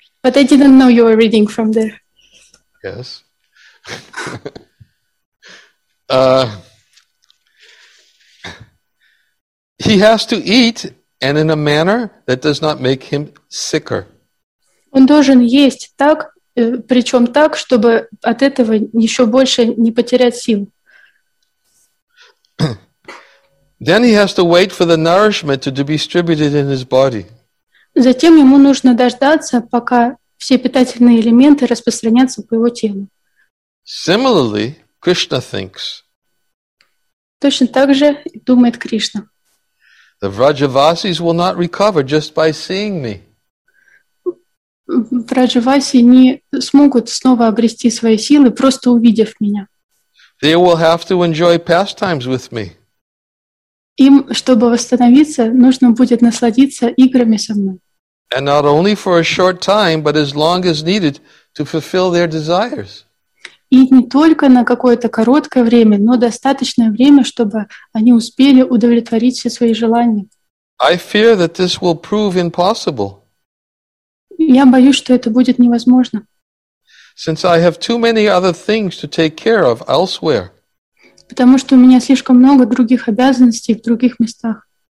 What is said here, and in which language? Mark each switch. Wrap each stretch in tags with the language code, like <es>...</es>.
<en>But I didn't know you were reading from there. Yes. he has to eat and in a manner that does not make him sicker.</en> <ru>Он должен есть так, причем так, чтобы от этого еще больше не потерять сил.</ru> <en>Then he has to wait for the nourishment to be distributed in his body.</en> <ru>Затем ему нужно дождаться, пока все питательные элементы распространятся по его телу.</ru> <en>Similarly, Krishna thinks.</en> <ru>Точно так же думает Кришна.</ru> <en>The Vrajavasis will not recover just by seeing me.</en> <ru>Vrajavasi не смогут снова обрести свои силы, просто увидев меня.</ru> <en>They will have to enjoy pastimes with me.</en> <ru>Им, чтобы восстановиться, нужно будет насладиться играми со мной.</ru> <en>And not only for a short time, but as long as needed to fulfill their desires.</en> <ru>И не только на какое-то короткое время, но достаточное время, чтобы они успели удовлетворить все свои желания.</ru> <en>I fear that this will prove impossible.</en> <ru>Я боюсь, что это будет невозможно.</ru> <en>Since I have too many other things to take care of elsewhere.</en> <ru>Потому что у меня слишком много других обязанностей в других местах.</ru>